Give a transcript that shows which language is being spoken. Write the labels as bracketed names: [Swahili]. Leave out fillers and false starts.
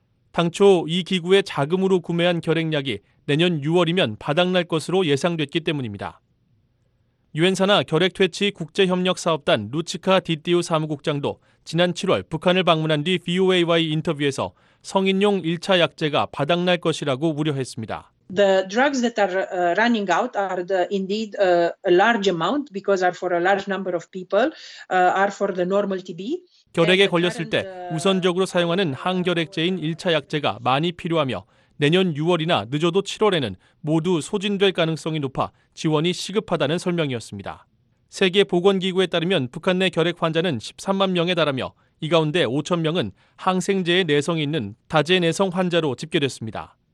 [Korean] 당초 이 기구의 자금으로 구매한 결핵약이 내년 6월이면 바닥날 것으로 예상됐기 때문입니다. 유엔사나 결핵퇴치국제협력사업단 루치카 디띠오 사무국장도 지난 7월 북한을 방문한 뒤 VOA와의 인터뷰에서 성인용 1차 약제가 바닥날 것이라고 우려했습니다. [English] The drugs that are running out are the indeed a large amount because are for a large number of people are for the normal TB. [Korean] 결핵에 걸렸을 때 우선적으로 사용하는 항결핵제인 1차 약제가 많이 필요하며 내년 6월이나 늦어도 7월에는 모두 소진될 가능성이 높아 지원이 시급하다는 설명이었습니다. 세계 보건 기구에 따르면 북한 내 결핵 환자는 13만 명에 달하며 이 가운데 5천 명은 항생제에 내성이 있는 다제 내성 환자로 집계됐습니다.